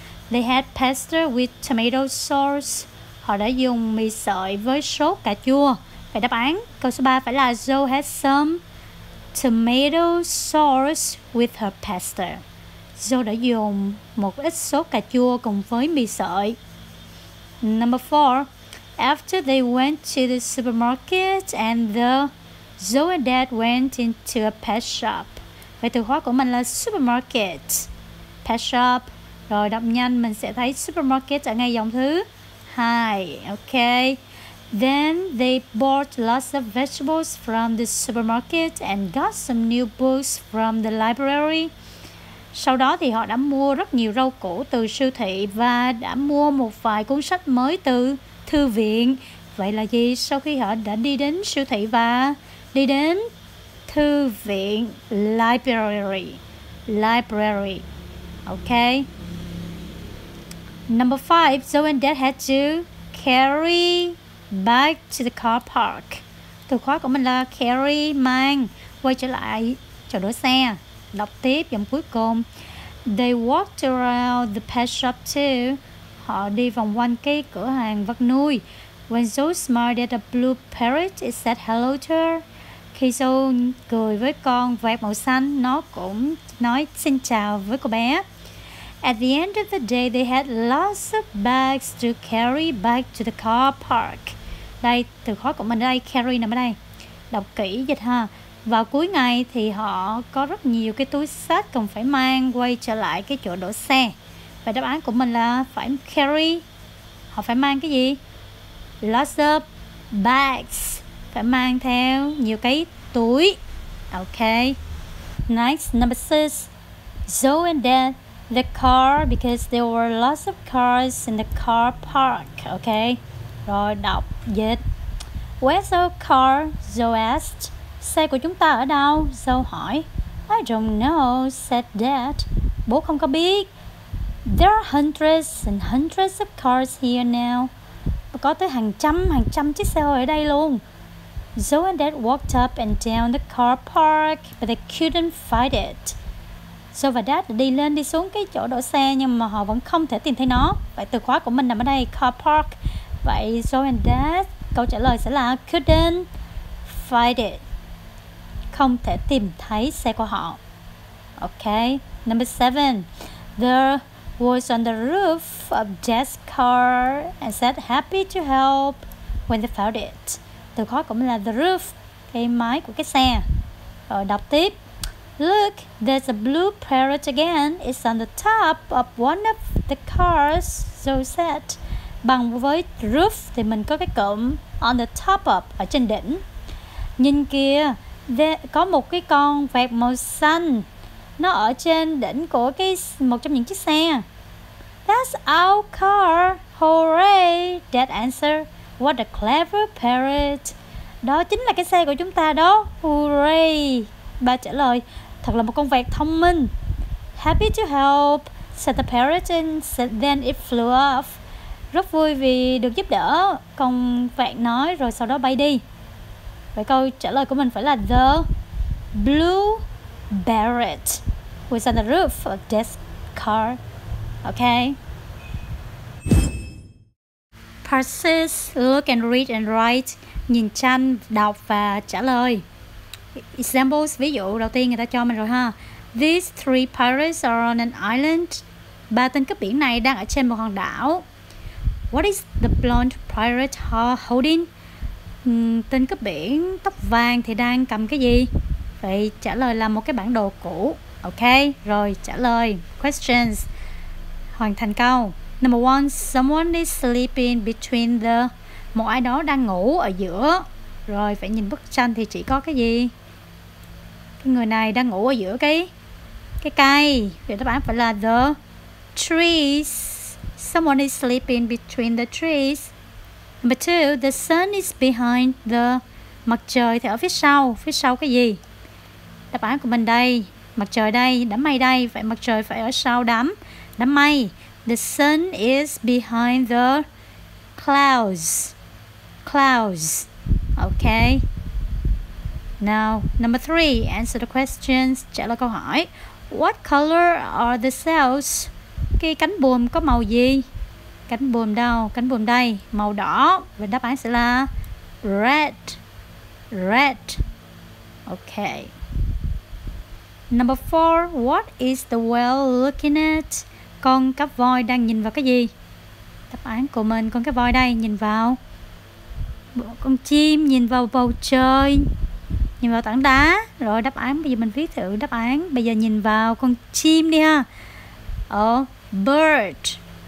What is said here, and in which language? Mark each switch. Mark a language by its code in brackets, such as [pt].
[en] They had pasta with tomato sauce. [vi] Họ đã dùng mì sợi với sốt cà chua. Vậy đáp án câu số 3 phải là [en] Joe has some tomato sauce with her pasta. [vi] Joe đã dùng một ít sốt cà chua cùng với mì sợi. [en] Number 4. After they went to the supermarket and the Joe and Dad went into a pet shop. [vi] Vậy từ khóa của mình là supermarket, pet shop. Rồi đọc nhanh, mình sẽ thấy supermarket ở ngay dòng thứ 2. [en] Ok. Then they bought lots of vegetables from the supermarket and got some new books from the library. [vi] Sau đó thì họ đã mua rất nhiều rau củ từ siêu thị và đã mua một vài cuốn sách mới từ thư viện. Vậy là gì? Sau khi họ đã đi đến siêu thị và đi đến thư viện, library. [en] Library. Ok. Number 5, Joe and Dad had to carry back to the car park. [vi] Từ khóa của mình là carry, mang, quay trở lại chỗ đỗ xe. Đọc tiếp dòng cuối cùng. [en] They walked around the pet shop too. [vi] Họ đi vòng quanh cái cửa hàng vật nuôi. [en] When Joe smiled at a blue parrot, it said hello to her. [vi] Khi Joe cười với con vẹt màu xanh, nó cũng nói xin chào với cô bé. [en] At the end of the day, they had lots of bags to carry back to the car park. [vi] Đây, từ khóa của mình đây, carry nằm ở đây. Đọc kỹ dịch ha. Vào cuối ngày thì họ có rất nhiều cái túi xách cần phải mang quay trở lại cái chỗ đỗ xe. Và đáp án của mình là phải carry. Họ phải mang cái gì? [en] Lots of bags. [vi] Phải mang theo nhiều cái túi. [en] Ok. Next, number 6. Joe and Dad. The car, because there were lots of cars in the car park. Okay, [vi] rồi đọc dịch. [en] Where's our car? Joe asked. [vi] Xe của chúng ta ở đâu? Joe hỏi. [en] I don't know, said Dad. [vi] Bố không có biết. [en] There are hundreds and hundreds of cars here now. [vi] Có tới hàng trăm chiếc xe hơi ở đây luôn. [en] Joe and Dad walked up and down the car park, but they couldn't find it. [vi] Joe và Dad đi lên đi xuống cái chỗ đỗ xe nhưng mà họ vẫn không thể tìm thấy nó. Vậy từ khóa của mình nằm ở đây, car park. Vậy Joe and Dad, câu trả lời sẽ là [en] couldn't find it. [vi] Không thể tìm thấy xe của họ. [en] Ok, number 7. There was on the roof of Dad's car and said happy to help when they found it. [vi] Từ khóa của mình là the roof, cái mái của cái xe. Rồi đọc tiếp. [en] Look, there's a blue parrot again. It's on the top of one of the cars, Joe said. [vi] Bằng với roof thì mình có cái cụm [en] on the top of, [vi] ở trên đỉnh. Nhìn kìa, có một cái con vẹt màu xanh. Nó ở trên đỉnh của cái một trong những chiếc xe. [en] That's our car. Hooray, Dad answered. What a clever parrot. [vi] Đó chính là cái xe của chúng ta đó. Hooray. Ba trả lời, thật là một con vẹt thông minh. [en] Happy to help, said the parrot, and said, then it flew off. [vi] Rất vui vì được giúp đỡ, con vẹt nói, rồi sau đó bay đi. Vậy câu trả lời của mình phải là [en] the blue parrot was on the roof of Dad's car. Ok. Part 6, look and read and write. [vi] Nhìn tranh, đọc và trả lời. Examples, ví dụ đầu tiên người ta cho mình rồi ha. [en] These three pirates are on an island. [vi] Ba tên cướp biển này đang ở trên một hòn đảo. [en] What is the blonde pirate holding? [vi] Tên cướp biển tóc vàng thì đang cầm cái gì? Vậy trả lời là một cái bản đồ cũ. Ok, rồi trả lời. Questions. Hoàn thành câu. [en] Number 1, someone is sleeping between the. [vi] Một ai đó đang ngủ ở giữa. Rồi phải nhìn bức tranh thì chỉ có cái gì? Cái người này đang ngủ ở giữa cái cây. Vậy đáp án phải là the trees. [en] Someone is sleeping between the trees. Number 2, the sun is behind the [vi] Mặt trời thì ở phía sau. Phía sau cái gì? Đáp án của mình đây. Mặt trời đây, đám mây đây. Vậy mặt trời phải ở sau đám, đám mây. [en] The sun is behind the clouds. Clouds. Okay. Now, number three, answer the questions. [vi] Trả lời câu hỏi. [en] What color are the cells? [vi] Cái cánh buồm có màu gì? Cánh buồm đâu? Cánh buồm đây. Màu đỏ. Và đáp án sẽ là red. Red. Okay. [en] Number four, what is the whale looking at? [vi] Con cá voi đang nhìn vào cái gì? Đáp án của mình, con cá voi đây, nhìn vào con chim, nhìn vào bầu trời, nhìn vào tảng đá. Rồi đáp án, bây giờ mình viết thử đáp án. Bây giờ nhìn vào con chim đi ha. Bird.